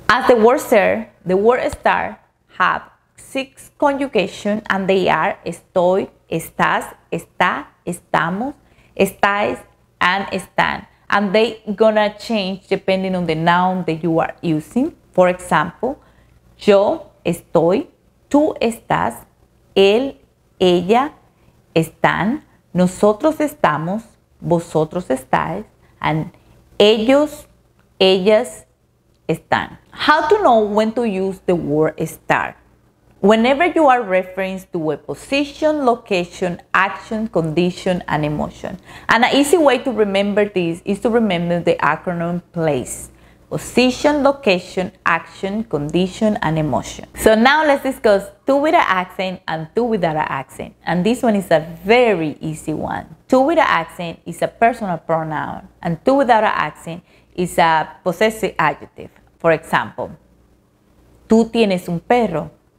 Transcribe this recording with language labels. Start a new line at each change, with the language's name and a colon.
English: As the word ser, the word estar have 6 conjugations and they are
Spanish: estoy, estás, está, estamos, estáis, and están.
English: And they gonna change depending on the noun that you are using. For example,
Spanish: yo estoy, tú estás, él, ella, están, nosotros estamos, vosotros estáis, and ellos, ellas están.
English: How to know when to use the word estar? Whenever you are referring to a position, location, action, condition, and emotion. And an easy way to remember this is to remember the acronym PLACE. Position, location, action, condition, and emotion. So now let's discuss two with an accent and two without an accent. And this one is a very easy one. Two with an accent is a personal pronoun, and two without an accent is a possessive adjective. For example,
Spanish: tú tienes un perro.